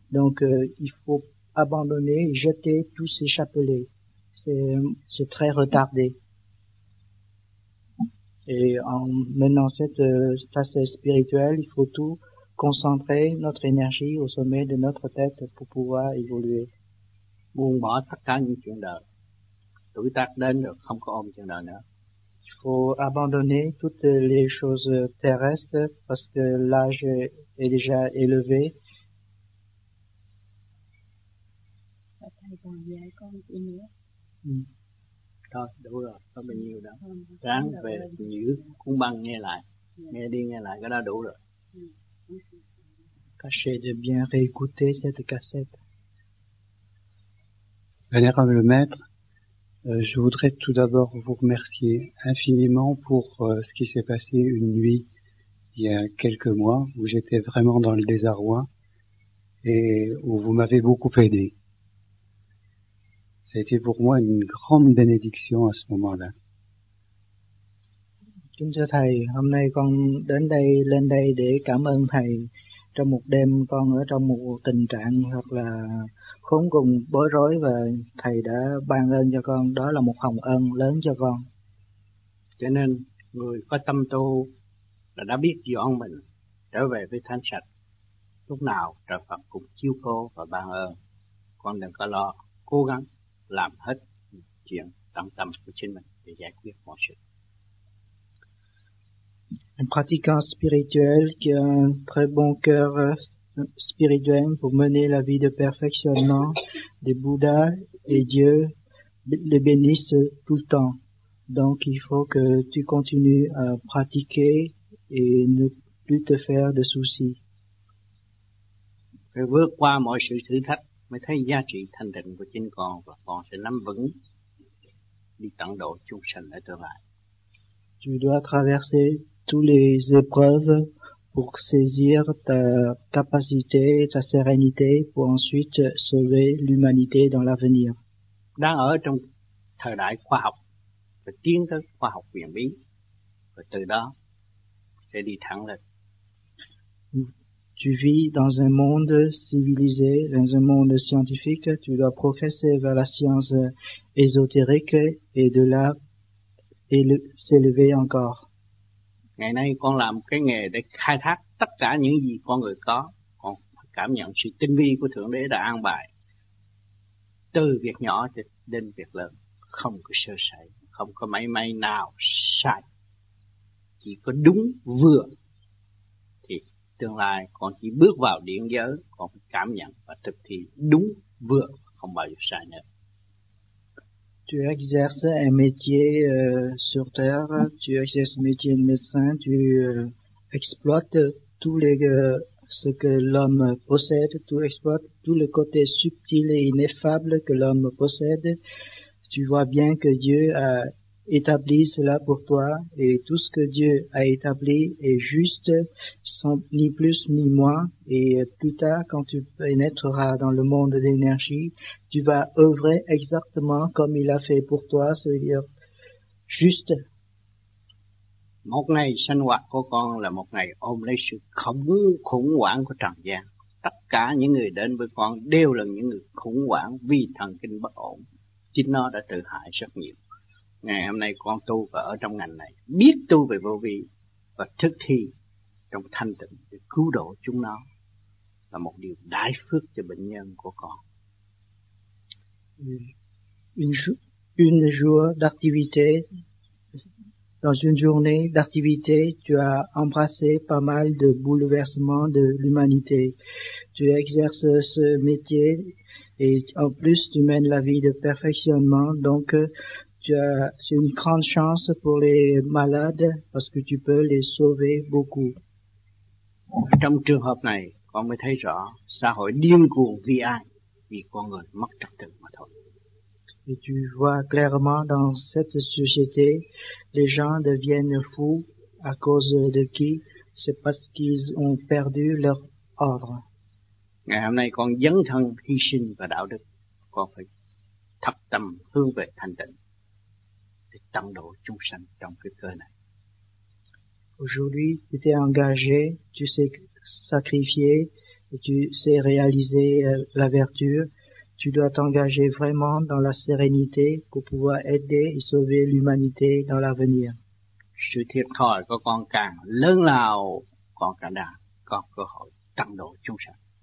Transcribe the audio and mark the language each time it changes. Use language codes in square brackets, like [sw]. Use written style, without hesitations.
[fr] Donc il faut abandonner et jeter tous ces chapelets. C'est très retardé. Et en menant cette phase spirituelle, il faut tout concentrer notre énergie au sommet de notre tête pour pouvoir évoluer. [vi] Buông bỏ tất cả những chuyện đời, tuổi tác đến rồi không có ôm chuyện đời nữa. [fr] Il faut abandonner toutes les choses terrestres parce que l'âge est déjà élevé. [vi] Ta thầy còn dạy con gì nữa? Thôi, đủ rồi, có bao nhiêu đó. Ráng về giữ cuốn băng nghe lại. Nghe đi nghe lại, cái đó đủ rồi. [fr] Tâchez de bien réécouter cette cassette. Vénérable le maître, je voudrais tout d'abord vous remercier infiniment pour ce qui s'est passé une nuit il y a quelques mois où j'étais vraiment dans le désarroi et où vous m'avez beaucoup aidé. Ça a été pour moi une grande bénédiction à ce moment-là. [vi] Kính thưa thầy, hôm nay con đến đây lên đây để cảm ơn thầy. Trong một đêm con ở trong một tình trạng hoặc là khốn cùng bối rối và thầy đã ban ơn cho con, đó là một hồng ân lớn cho con. Cho nên người có tâm tu là đã biết dọn mình trở về với thanh sạch. Lúc nào trời Phật cũng chiếu cố và ban ơn. Con đừng có lo, cố gắng làm hết chuyện tâm tâm của chính mình để giải quyết mọi sự. [fr] Un pratiquant spirituel qui a un très bon cœur spirituel pour mener la vie de perfectionnement des Bouddhas et Dieu les bénisse tout le temps. Donc il faut que tu continues à pratiquer et ne plus te faire de soucis. [vi] Phải vượt qua mọi sự thử thách mới thấy giá trị thanh tịnh của chính con và con sẽ nắm vững đi tận độ chúng sanh ở tương lai. [fr] Tu dois traverser toutes les épreuves pour saisir ta capacité, ta sérénité, pour ensuite sauver l'humanité dans l'avenir. [vi] Đang ở trong thời đại khoa học và tiến tới khoa học huyền bí, và từ đó sẽ đi thẳng lên. [fr] Tu vis dans un monde civilisé, dans un monde scientifique. Tu dois progresser vers la science ésotérique et de là s'élever encore. [vi] Ngày nay con làm cái nghề để khai thác tất cả những gì con người có, con cảm nhận sự tinh vi của Thượng Đế đã an bài. Từ việc nhỏ đến việc lớn, không có sơ sẩy, không có máy may nào sai, chỉ có đúng vừa. Thì tương lai con chỉ bước vào điện giới, con cảm nhận và thực thi đúng vừa, không bao giờ sai nữa. [fr] Tu exerces un métier sur terre, tu exerces un métier de médecin, tu exploites tout ce que l'homme possède, tu exploites tout le côté subtil et ineffable que l'homme possède. Tu vois bien que Dieu a établi cela pour toi et tout ce que Dieu a établi est juste, sans ni plus ni moins. Et plus tard, quand tu pénétreras dans le monde d'énergie, tu vas œuvrer exactement comme il a fait pour toi, c'est-à-dire juste. [vi] Một ngày sinh hoạt của con là một ngày ôm lấy sự khủng hoảng của trần gian. Tất cả những người đến với con đều là những người khủng hoảng vì thần kinh bất ổn. Chính nó đã tự hại rất nhiều. Ngày hôm nay con tu và ở trong ngành này, biết tu về vô vi và thực thi trong thanh tịnh để cứu độ chúng nó là một điều đại phước cho bệnh nhân của con. [fr] Une jour d'activité, dans une journée d'activité, tu as embrassé pas mal de bouleversements de l'humanité. Tu exerces ce métier et en plus tu mènes la vie de perfectionnement, donc c'est une grande chance pour les malades parce que tu peux les sauver beaucoup. [vi] Trong trường hợp này, con mới thấy rõ xã hội điên cuồng vì ai? Vì con người mất trật tự mà thôi. [fr] Et tu vois clairement dans cette société, les gens deviennent fous à cause de qui? C'est parce qu'ils ont perdu leur ordre. [vi] Ngày hôm nay con dấn thân hy sinh và đạo đức, con phải thập tâm hướng về thanh tịnh để tâm độ chúng sanh trong cái cơ này. [fr] Aujourd'hui, tu t'es engagé, tu sais sacrifier et tu sais réaliser la vertu. Tu dois t'engager vraiment dans la sérénité pour pouvoir aider et sauver l'humanité dans l'avenir. [vi] Sự thiệt thòi của con càng lớn lao, con càng đã có cơ hội tăng độ chúng sanh.